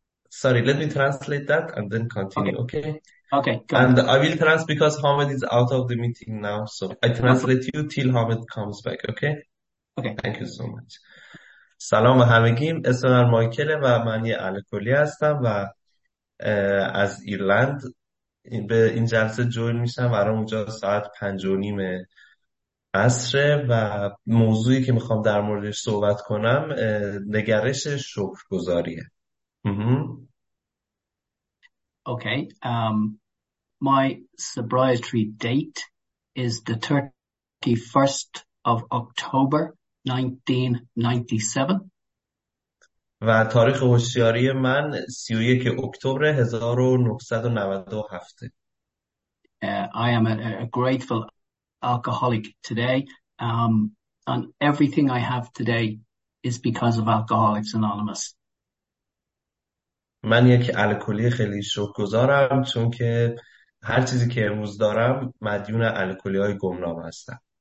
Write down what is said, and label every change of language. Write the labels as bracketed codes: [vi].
[en] Sorry, let me translate that and then continue, okay? Okay, go and ahead. I will translate because Hamid is out of the meeting now, so I translate you till Hamid comes back, okay? Okay. Thank you so much. [fa] سلام به همگی، اسم من مایکل و من یه الکلی هستم و از ایرلند به این جلسه جوین میشم. برام اونجا ساعت 5:30 عصره و موضوعی که میخوام در موردش صحبت کنم نگرش شکرگزاریه. [en] Okay, my sobriety date is the 31st of October 1997. [fa] و تاریخ هوشیاری من 31 اکتبر 1997. [en] I am a grateful alcoholic today, and everything I have today is because of Alcoholics Anonymous. [fa] من یک الکلی خیلی شکرگزارم چون که هر چیزی که امروز دارم مدیون الکلی های گمنام هستم.